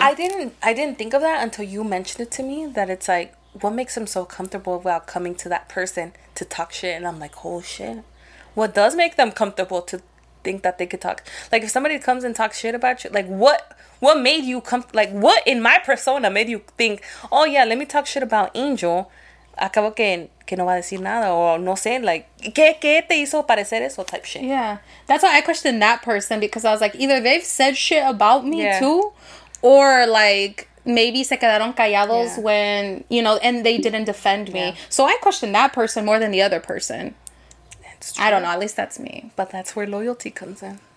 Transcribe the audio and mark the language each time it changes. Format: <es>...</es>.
<en>I didn't think of that until you mentioned it to me, that it's like, what makes them so comfortable about coming to that person to talk shit? And I'm like, oh, shit. What does make them comfortable to think that they could talk? Like, if somebody comes and talks shit about you, like, what made you come? Like, what in my persona made you think, oh, yeah, let me talk shit about Angel</en> <es>acabo que no va a decir nada, o no sé, like, ¿qué te hizo parecer eso</es> <en>type shit? Yeah. That's why I questioned that person, because I was like, either they've said shit about me too, or like, maybe</en> <es>se quedaron callados</es> <en>when, you know, and they didn't defend me. Yeah. So I questioned that person more than the other person. That's true. I don't know, at least that's me. But that's where loyalty comes in.</en>